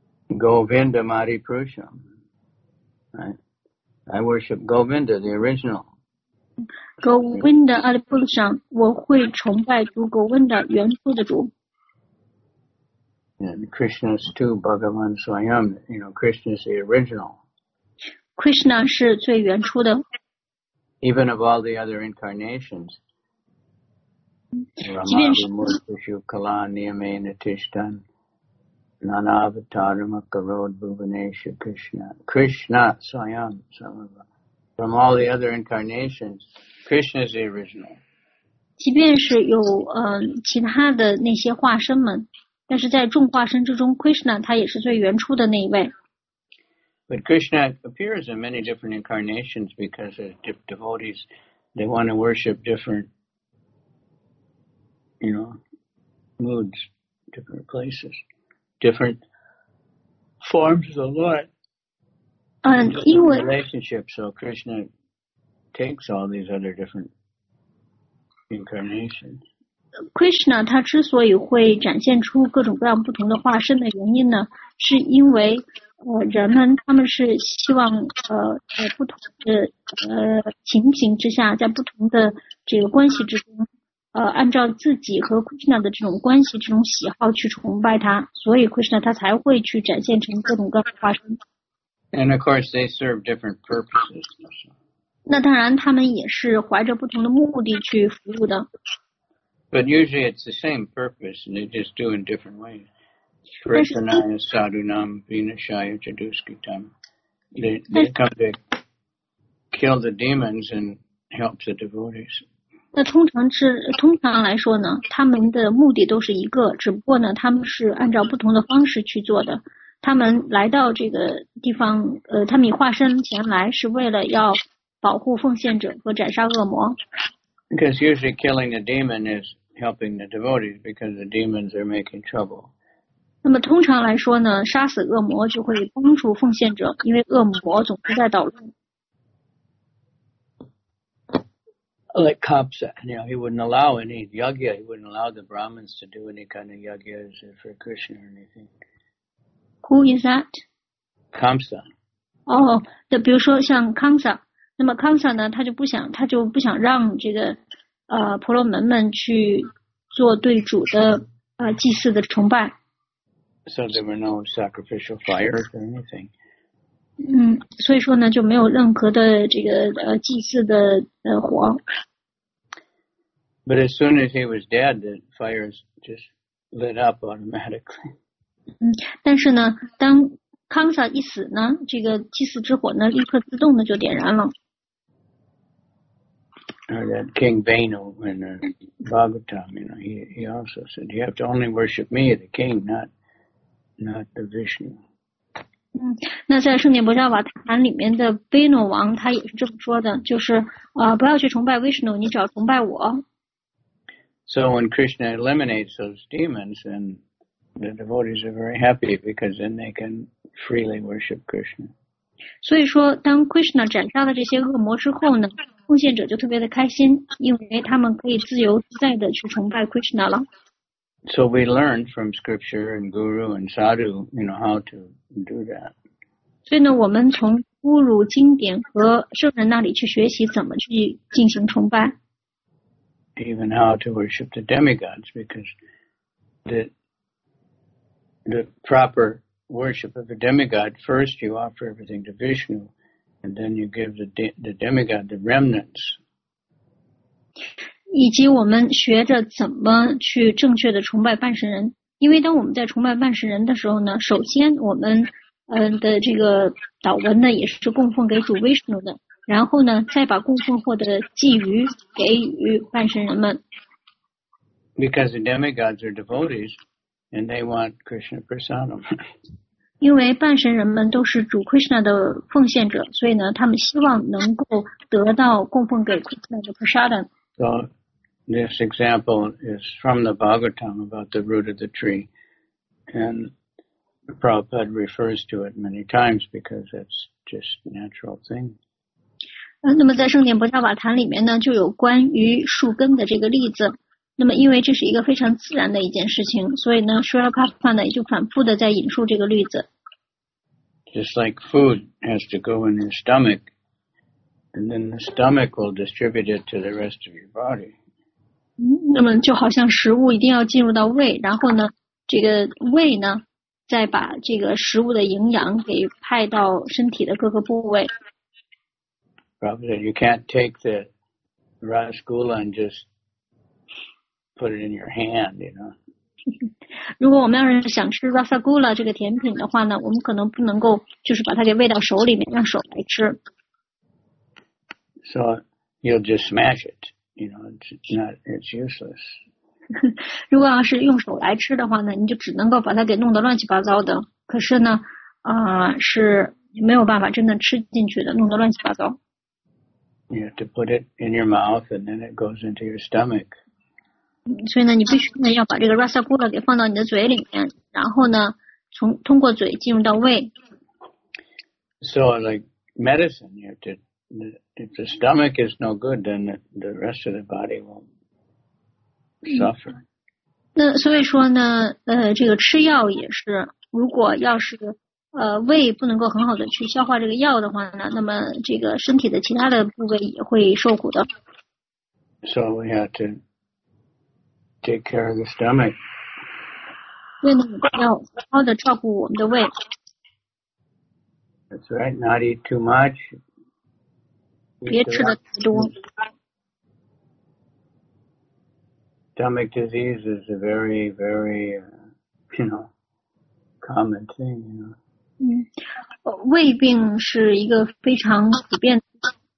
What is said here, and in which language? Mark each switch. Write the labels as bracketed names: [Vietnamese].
[Sanskrit] Govinda Madhi Purusham、 [English] right? I worship Govinda the original [Sanskrit] Govinda Madhi Purusham [Chinese] 我会崇拜主 Govinda 原初的主 [English] And Krishna's too Bhagavan Swayam you know Krishna's the original [Chinese] Krishna 是最原初的 [English] Even of all the other incarnations From all the other incarnations, Krishna is the original. [Chinese] 即便是有其他的那些化身们，但是在众化身之中 ，Krishna 他也是最原初的那一位。 [English] But Krishna appears in many different incarnations because as devotees, they want to worship different. You know, moods, different places, different forms of the Lord. And in the relationship, so Krishna takes all these other different incarnations. [Chinese] Krishna, 他之所以会展现出各种各样不同的化身的原因呢，是因为人们他们是希望不同的情形之下，在不同的这个关系之中。按照自己和 Krishna 的这种关系、这种喜好去崇拜他，所以 Krishna 他才会去展现成各种各样的化身。 [English] And of course, they serve different purposes. [Chinese] 那当然，他们也是怀着不同的目的去服务的。 [English] But usually it's the same purpose, and they just do in different ways. [Sanskrit] Krishna, Sadunam, Vinashaya, Jaduskitam. [English] They come to kill the demons and help the devotees. [Chinese] 那通常来说呢，他们的目的都是一个，只不过呢，他们是按照不同的方式去做的。他们来到这个地方，他们以化身前来是为了要保护奉献者和斩杀恶魔。 [English] Because usually killing the demon is helping the devotees because the demons are making trouble. [Chinese] 那么通常来说呢，杀死恶魔就会帮助奉献者，因为恶魔总是在捣乱。 [English] Like Kapsa, you know, he wouldn't allow any yagya, he wouldn't allow the Brahmins to do any kind of yagyas for Krishna or anything. Who is that? Kamsa. [Chinese] Oh, 那比如说像 Kamsa, 那么 Kamsa 呢，他就不想让这个婆罗门们去做对主的祭祀的崇拜。 [English] So there were no sacrificial fires or anything. [Chinese] 所以说呢，就没有任何的这个祭祀的火。 [English] But as soon as he was dead, the fires just lit up automatically. [Chinese] 但是呢，当康萨一死呢，这个祭祀之火呢，立刻自动的就点燃了。 [English] Or that King Vaino in Bhagavatam, you know, he also said, "You have to only worship me, the king, not the Vishnu." [Chinese] 那在圣殿摩迦瓦坛里面的贝诺王他也是这么说的就是不要去崇拜 Vishnu 你只要崇拜我 [English] So when Krishna eliminates those demons then the devotees are very happy because then they can freely worship Krishna [Chinese] 所以说当 Krishna 斩杀了这些恶魔之后呢奉献者就特别的开心因为他们可以自由自在的去崇拜 Krishna 了 [English] So we learn from scripture and guru and sadhu, you know, how to do that. [Chinese] 所以呢，我们从古儒经典和圣人那里去学习怎么去进行崇拜。 [English] Even how to worship the demigods, because the the proper worship of a demigod, first you offer everything to Vishnu, and then you give the demigod the remnants. [Chinese] 以及我们学着怎么去正确的崇拜半神人，因为当我们在崇拜半神人的时候呢，首先我们的这个祷文呢也是供奉给主 Vishnu 的，然后呢再把供奉获得寄予给予半神人们。 [English] Because the demigods are devotees and they want Krishna prasadam. [Chinese] 因为半神人们都是主 Krishna 的奉献者，所以呢他们希望能够得到供奉给 Krishna 的 prasadam。 [English] So this example is from the Bhagavatam about the root of the tree, and Prabhupada refers to it many times because it's just a natural thing. [Chinese] 那么在圣典《般若瓦坛》里面呢，就有关于树根的这个例子。那么因为这是一个非常自然的一件事情，所以呢 ，Srila Prabhupada 呢就反复的在引述这个例子。 [English] Just like food has to go in your stomach. And then the stomach will distribute it to the rest of your body. [Chinese] 那么就好像食物一定要进入到胃，然后呢，这个胃呢，再把这个食物的营养给派到身体的各个部位。 [English] Prabhupada, you can't take the rasgulla and just put it in your hand, you know. [Chinese] 如果我们要是想吃 rasgulla 这个甜品的话呢，我们可能不能够就是把它给喂到手里面，让手来吃。 [English] So you'll just smash it, you know, it's useless. [Chinese] 如果要是用手来吃的话呢，你就只能够把它给弄得乱七八糟的。可是呢，是没有办法真的吃进去的，弄得乱七八糟。 [English] You have to put it in your mouth and then it goes into your stomach. [Chinese] 所以呢，你必须呢要把这个 rasgulla 给放到你的嘴里面，然后呢，通过嘴进入到胃。 [English] So like medicine, you have to... If the stomach is no good, then the rest of the body will suffer. [Chinese] 那所以说呢，这个吃药也是，如果要是胃不能够很好的去消化这个药的话呢，那么这个身体的其他的部位也会受苦的。 [English] So we have to take care of the stomach. [Chinese] 所以呢，要好好的照顾我们的胃。 [English] That's right. Not eat too much. [Chinese] 别吃的多。 [English] Stomach disease is a very, very, you know, common thing. You know. [Chinese] 胃病是一个非常普遍的。